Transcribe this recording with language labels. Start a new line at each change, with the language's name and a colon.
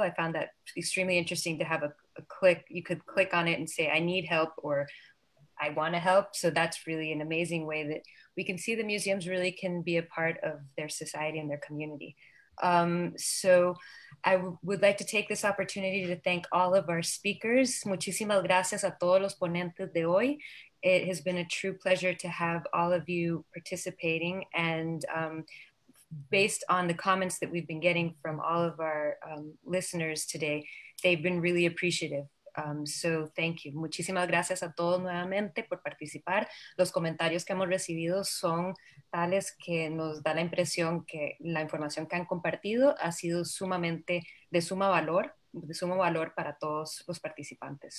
English: I found that extremely interesting to have a click. You could click on it and say, I need help, or I want to help. So that's really an amazing way that we can see the museums really can be a part of their society and their community. So I would like to take this opportunity to thank all of our speakers.
Spanish: Muchísimas gracias a todos los ponentes de hoy.
English: It has been a true pleasure to have all of you participating. And based on the comments that we've been getting from all of our listeners today, they've been really appreciative. So thank you.
Spanish: Muchísimas gracias a todos nuevamente por participar. Los comentarios que hemos recibido son tales que nos da la impresión que la información que han compartido ha sido sumamente de sumo valor para todos los participantes.